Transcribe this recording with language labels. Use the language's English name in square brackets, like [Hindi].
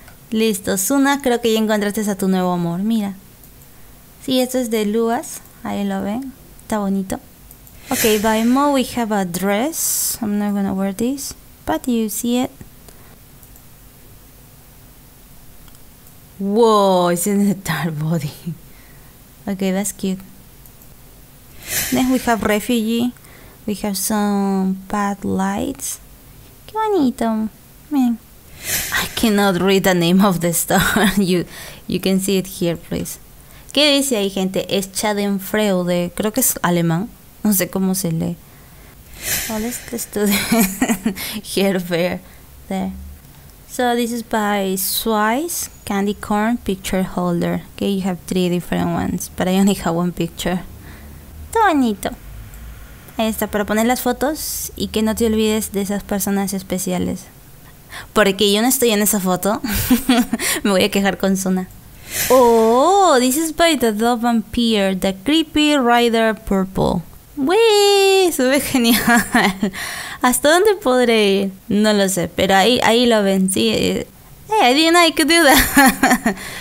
[Spanish] Listo, Suna, creo que ya encontraste a tu nuevo amor, mira. Sí, esto es de Luas, ahí lo ven, está bonito. [English] Okay, by Mo we have a dress. I'm not gonna wear this, but you see it. Whoa, it's in a dark body. Okay, that's cute. Next we have Refugee. We have some pad lights. [Spanish] Qué bonito. [English] Man. I cannot read the name of the store. You can see it here, please. [Spanish] ¿Qué dice ahí, gente? Es Schadenfreude. Creo que es alemán. No sé cómo se lee. [English] Well, let's do the here, there, there. So this is by Swice Candy Corn Picture Holder. Okay, you have three different ones, but I only have one picture. [Spanish] Está bonito. Ahí está, para poner las fotos y que no te olvides de esas personas especiales. Porque yo no estoy en esa foto. Me voy a quejar con Suna. [English] Oh, this is by the Love Vampire, the Creepy Rider Purple. [Spanish] ¡Wii! Se ve genial. ¿Hasta dónde podré ir? No lo sé, pero ahí lo ven, sí. [English] Hey, I didn't know I could do that.